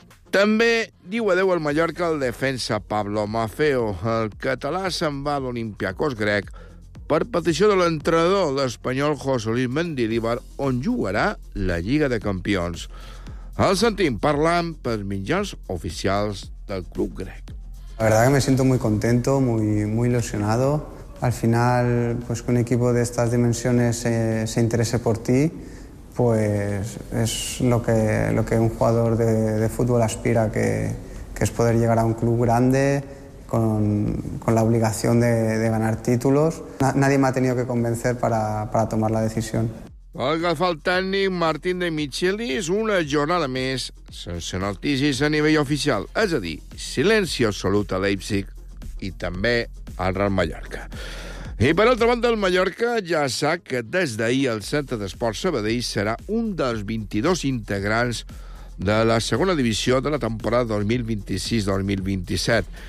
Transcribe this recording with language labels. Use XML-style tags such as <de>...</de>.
<ca>També diu adeu al Mallorca el defensa Pablo Maffeo. El català se'n va a l'Olympiacos grec per petició de l'entrenador d'Espanyol José Luis Mendilibar, on jugarà la Lliga de Campions. El sentim parlant pels mitjans oficials del club grec.</ca> <es>La verdad que me siento muy contento, muy, muy ilusionado. Al final, pues que un equipo de estas dimensiones se interese por ti, pues es lo que un jugador de fútbol aspira, que es poder llegar a un club grande con la obligación de ganar títulos. Nadie me ha tenido que convencer para tomar la decisión.</es> <ca>El que fa el tècnic Martín de Michelis, una jornada més sense notícies a nivell oficial, és a dir, silenci absolut a Leipzig i també al Real Mallorca. I per altra banda, el Mallorca ja sap que des d'ahir el Centre d'Esports Sabadell serà un dels 22 integrants de la segona divisió de la temporada 2026-2027.</ca>